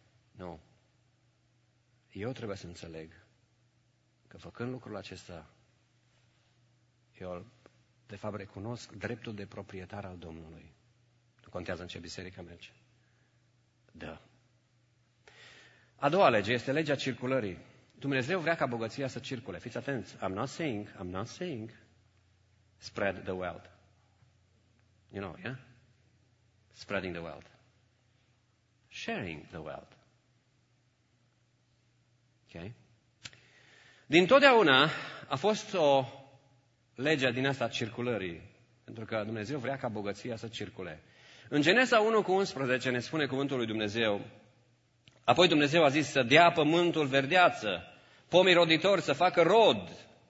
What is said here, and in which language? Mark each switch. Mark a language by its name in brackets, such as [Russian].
[Romanian] Nu. Eu trebuie să înțeleg că făcând lucrul acesta, eu de fapt recunosc dreptul de proprietar al Domnului. Nu contează în ce biserică merge. Da. A doua lege este legea circulării. Dumnezeu vrea ca bogăția să circule. Fiți atenți. [English] I'm not saying, spread the wealth. You know, yeah? Spreading the wealth. Sharing the wealth. Okay? [Romanian] Dintotdeauna a fost o lege din asta circulării, pentru că Dumnezeu vrea ca bogăția să circule. În Geneza 1:11 ne spune cuvântul lui Dumnezeu: apoi Dumnezeu a zis să dea pământul verdeață, pomii roditori să facă rod.